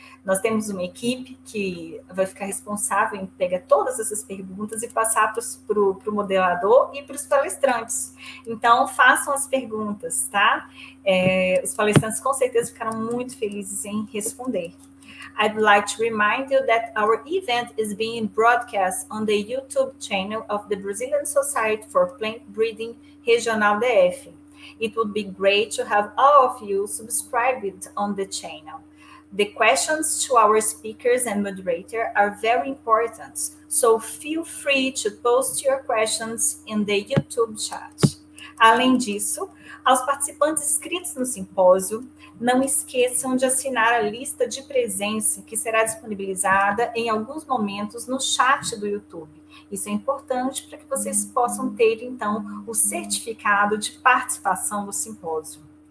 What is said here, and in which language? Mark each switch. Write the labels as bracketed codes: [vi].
[pt] Nós temos uma equipe que vai ficar responsável em pegar todas essas perguntas e passar para o moderador e para os palestrantes. Então, façam as perguntas, tá? Os palestrantes com certeza ficaram muito felizes em responder. [en] I'd like to remind you that our event is being broadcast on the YouTube channel of the Brazilian Society for Plant Breeding Regional DF. It would be great to have all of you subscribed on the channel. The questions to our speakers and moderator are very important, so feel free to post your questions in the YouTube chat. [pt] Além disso, aos participantes inscritos no simpósio, não esqueçam de assinar a lista de presença que será disponibilizada em alguns momentos no chat do YouTube. Isso é importante para que vocês possam ter, então, o certificado de participação do simpósio.